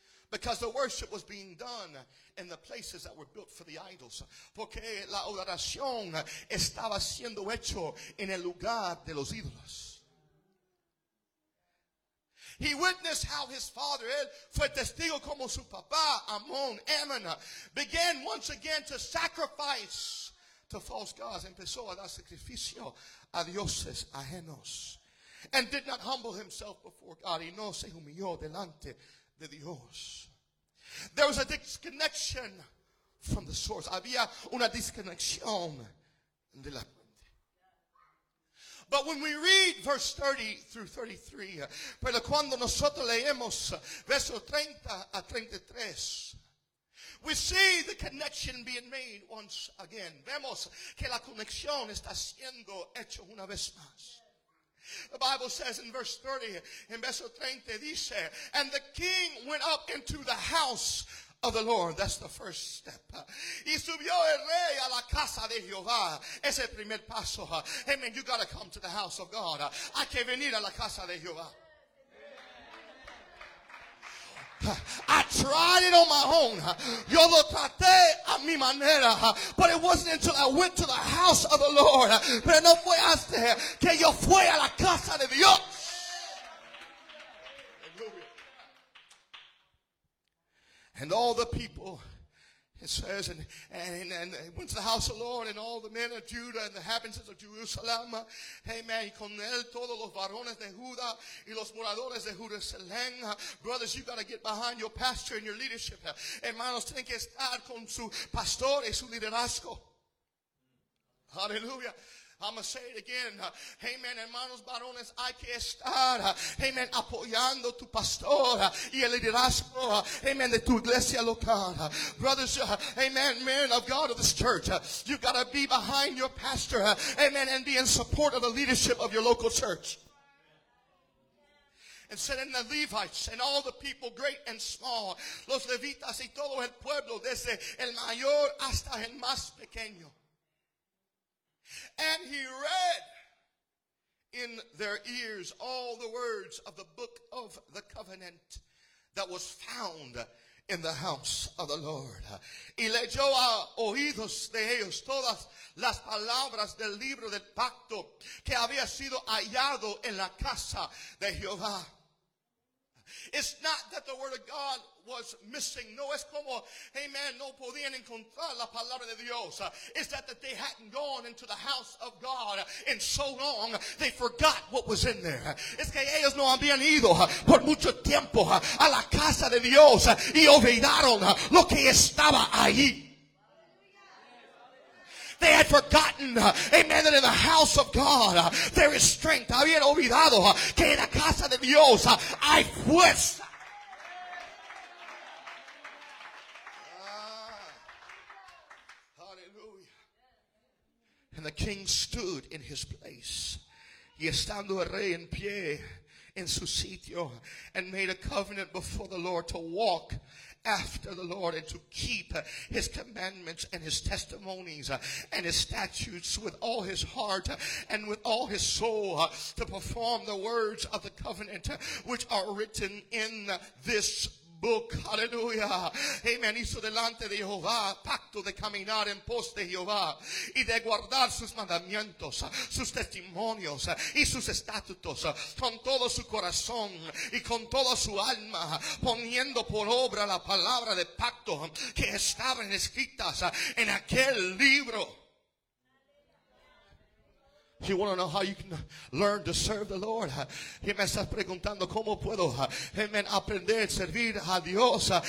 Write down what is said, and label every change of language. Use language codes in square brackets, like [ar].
[en] Because the worship was being done in the places that were built for the idols. [es] Porque la oración estaba siendo hecho en el lugar de los ídolos. [en] He witnessed how his father, [es] él fue testigo como su papá, [en] Amón, began once again to sacrifice to false gods. [es] Empezó a dar sacrificio a dioses ajenos, [en] and did not humble himself before God. [es] Y no se humilló delante de Dios. [en] There was a disconnection from the source. [es] Había una desconexión de la fuente. [en] But when we read verse 30 through 33, [es] pero cuando nosotros leemos verso 30 a 33, [en] we see the connection being made once again. [es] Vemos que la conexión está siendo hecho una vez más. [en] The Bible says in verse 30, [es] in verso 30 dice, [en] and the king went up into the house of the Lord. That's the first step. [es] Y subió el rey a la casa de Jehová. Ese primer paso. Amen. [en] You got to come to the house of God. [es] Hay que venir a la casa de Jehová. [en] I tried it on my own. [es] Yo lo traté a mi manera. [en] But it wasn't until I went to the house of the Lord. [es] Pero no fue hasta que yo fui a la casa de Dios. [en] And all the people It says, and went to the house of the Lord, and all the men of Judah and the inhabitants of Jerusalem, amen, [es] y con él todos los varones de Judá y los moradores de Jerusalén. [en] Brothers, you've got to get behind your pastor and your leadership. [es] Hermanos, tienen que estar con su pastor y su liderazgo. Hallelujah. [en] I'm going to say it again. [es] Amen. Hermanos varones, hay que estar, amen, apoyando tu pastor y el liderazgo, amen, de tu iglesia local. [en] Brothers, amen, men of God of this church, you've got to be behind your pastor, amen, and be in support of the leadership of your local church. And said, and the Levites and all the people, great and small, [es] los levitas y todo el pueblo, desde el mayor hasta el más pequeño. [en] And he read in their ears all the words of the book of the covenant that was found in the house of the Lord. [es] Y leyó a oídos de ellos todas las palabras del libro del pacto que había sido hallado en la casa de Jehová. [en] It's not that the word of God was missing. [es] No, es como, amen, no podían encontrar la palabra de Dios. [en] It's that they hadn't gone into the house of God in so long, they forgot what was in there. [es] Es que ellos no habían ido por mucho tiempo a la casa de Dios y olvidaron lo que estaba allí. [en] They had forgotten, amen, that in the house of God, there is strength. [es] Habían olvidado que en la casa de Dios hay fuerza. [en] Hallelujah. And the king stood in his place. [es] Y estando el rey en pie en su sitio, [en] and made a covenant before the Lord to walk after the Lord and to keep his commandments and his testimonies and his statutes with all his heart and with all his soul, to perform the words of the covenant which are written in this book. Hallelujah. Amen. [es] Hizo delante de Jehová pacto de caminar en pos de Jehová y de guardar sus mandamientos, sus testimonios y sus estatutos con todo su corazón y con toda su alma, poniendo por obra la palabra de pacto que estaban escritas en aquel libro. [en] You want to know how you can learn to serve the Lord? [es] Y me estás preguntando cómo puedo, amen, aprender a servir a Dios.